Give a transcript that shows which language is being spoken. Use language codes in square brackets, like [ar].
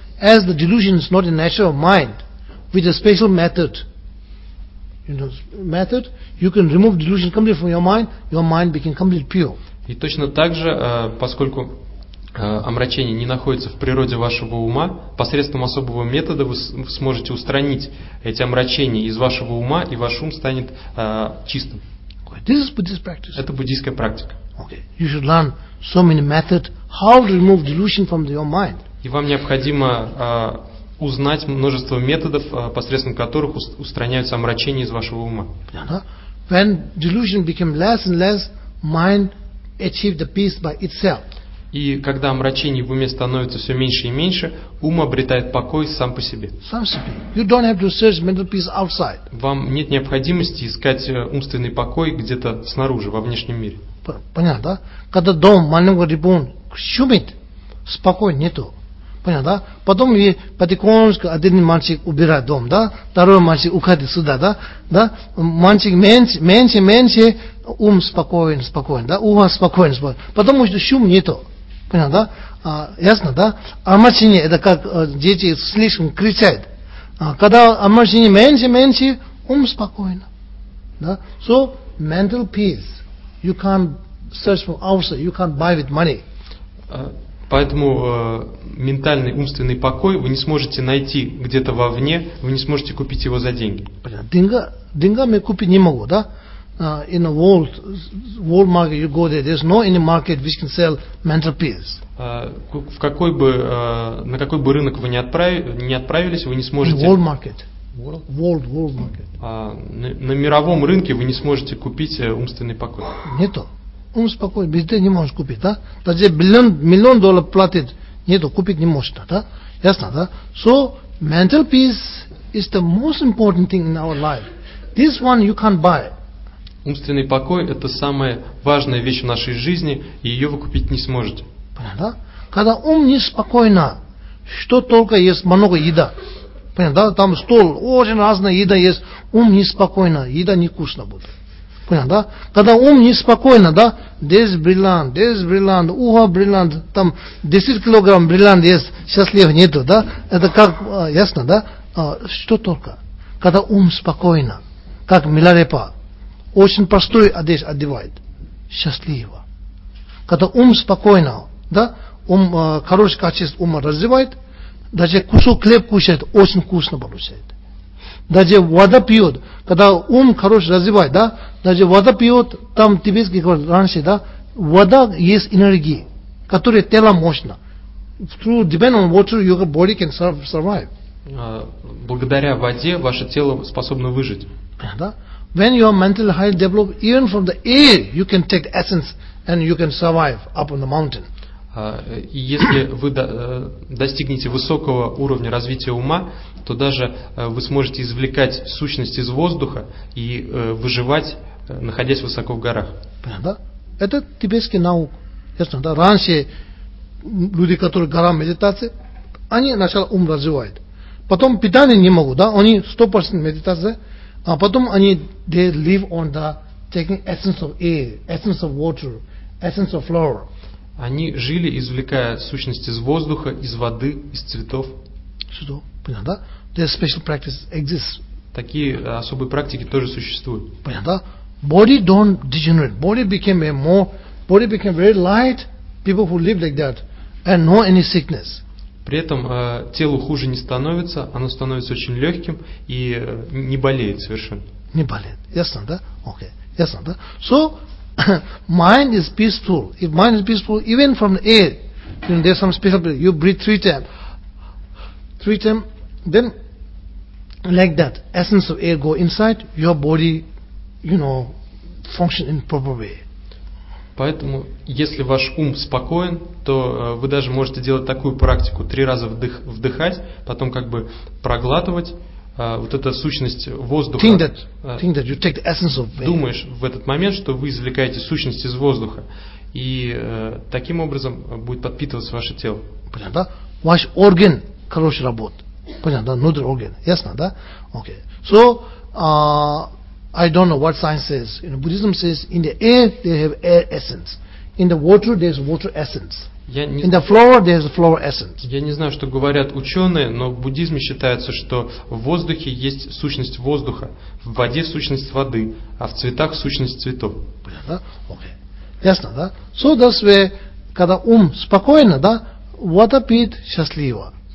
[en] as the delusion is not a natural mind, with a special method, you can remove delusion completely from your mind becomes completely pure. [ru] И точно так же, поскольку омрачение не находится в природе вашего ума, посредством особого метода вы сможете устранить эти омрачения из вашего ума, и ваш ум станет чистым. [en] This is Buddhist practice. [ru] Это буддийская практика. [en] Okay. You should learn so many methods how to remove delusion from your mind. [ru] И вам необходимо узнать множество методов, посредством которых устраняются омрачения из вашего ума. [en] When delusion became less and less, mind achieved the peace by itself. [ru] И когда омрачение в уме становится все меньше и меньше, ум обретает покой сам по себе. [en] You don't have to search mental peace outside. [ru] Вам нет необходимости искать умственный покой где-то снаружи, во внешнем мире. Понятно, да? Когда дом маленького ребенка шумит, спокой нету. Понятно, да? Потом потихонечку один мальчик убирает дом, да? Второй мальчик уходит сюда, да? Да? Мальчик меньше, меньше, меньше, ум спокоен, спокоен, да? Ум спокоен, спокоен. Потом уже шум нету. Понятно, да? Ясно, да? Омрачение — это как дети слишком кричат. Когда омрачение меньше, меньше, ум спокоен. Да? [en] So, mental peace. You can't search for outside, you can't buy with money. [ru] Поэтому ментальный, умственный покой вы не сможете найти где-то вовне, вы не сможете купить его за деньги. Деньгами купить не могу, да? [en] In a world market you go there, there's no any market which can sell mental peace. [ru] На какой бы рынок вы не отправились, вы не сможете... [en] In world market. World market. [ru] На мировом рынке вы не сможете купить умственный покой. Нету. Ум спокойный, без денег не можешь купить, да? Даже миллион долларов платит, нету, купить не можешь, да? Ясно, да? [en] So, mental peace is the most important thing in our life. This one you can't buy. [ru] Умственный покой – это самая важная вещь в нашей жизни, и ее вы купить не сможете. Понятно, да? Когда ум неспокойно, что только есть много еда. Понятно, да? Там стол, очень разная еда есть, ум неспокойно, еда невкусно будет. Понятно, да? Когда ум неспокойно, да, здесь бриллиант, ухо бриллиант, там 10 килограмм бриллиант есть, счастлив нету, да? Это как, ясно, да? Что только? Когда ум спокойно, как миларепа, очень простой одежду одевает, счастливо. Когда ум спокойно, да, хороший качество ума развивает, даже кусок хлеб кушает, очень вкусно получает. Даже вода пьет, когда ум хороший развивает, да, даже вода пьет, там тибетский говорит раньше, да, вода есть энергия, которая тело мощно. [en] Through depend on water, your body can survive. [ru] Благодаря воде ваше тело способно выжить. Да? [en] When your mental health develops, even from the air, you can take the essence and you can survive up on the mountain. [ru] Если вы достигнете высокого уровня развития ума, то даже вы сможете извлекать сущность из воздуха и выживать, находясь высоко в горах. Понятно, да? Это тибетский наук. Ясно, да? Раньше люди, которые гора медитации, они сначала ум развивают. Потом питание не могут, да? Они 100% медитация, а потом они [en] they live on the taking essence of air, essence of water, essence of flower. [ru] Они жили, извлекая сущность из воздуха, из воды, из цветов. Что? Понятно, да? [en] There's special practice exists. [ru] Такие особые практики тоже существуют. Понятно, да? [en] Body don't degenerate. Body became very light. People who live like that and no any sickness. [ru] При этом телу хуже не становится, оно становится очень легким и не болеет совершенно. Не болеет. Ясно, да? [en] Okay. [ru] Ясно, да? [en] So, mind is peaceful. If mind is peaceful, even from the air, you know, there's some special place. You breathe three times, then like that, essence of air go inside, your body, you know, function in proper way. [ru] Поэтому, если ваш ум спокоен, то вы даже можете делать такую практику, три раза вдыхать, потом как бы проглатывать. Вот эта сущность воздуха. Думаешь в этот момент, что вы извлекаете сущность из воздуха, и таким образом будет подпитываться ваше тело. Понятно, да? Ваш орган хороший работает. Понятно, да? Внутри орган. Ясно, да? Okay. [en] So I don't know what science says. You know, Buddhism says in the air they have air essence. In the water there is water essence. In the flower there is a flower essence. [ru] Я не знаю, что говорят ученые, но в буддизме считается, что в воздухе есть сущность воздуха, в воде сущность воды, а в цветах сущность цветов. Понятно? Окей. Ясно, да? [en] So that's where, [ru] когда ум спокойно, да, вода пьет счастливо.